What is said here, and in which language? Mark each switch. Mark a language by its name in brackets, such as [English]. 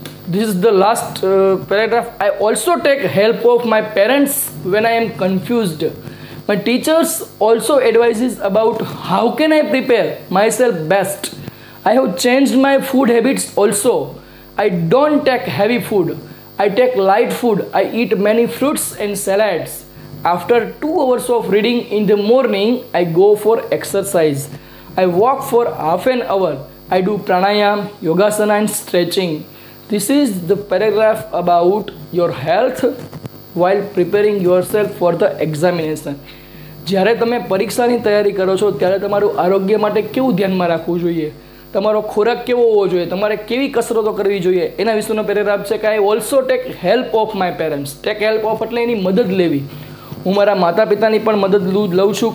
[English] This is the last paragraph. I also take help of my parents when I am confused. My teachers also advises about how can I prepare myself best. I have change my food habits also. I don't take heavy food, I take light food. I eat many fruits and salads. After 2 hours of reading in the morning, I go for exercise. I walk for half an hour. I do pranayama, yogasana and stretching. This is the paragraph about your health while preparing yourself for the examination. [Gujarati] જ્યારે તમે પરીક્ષાની તૈયારી કરો છો ત્યારે તમારું આરોગ્ય માટે કેવું ધ્યાનમાં રાખવું જોઈએ, તમારો ખોરાક કેવો હોવો જોઈએ, તમારે કેવી કસરતો કરવી જોઈએ એના વિશેનો પેરેગ્રાફ છે. કે [English] I also take help of my parents. Take help of [Gujarati] એટલે એની મદદ લેવી. હું મારા માતા પિતાની પણ મદદ લઉં છું.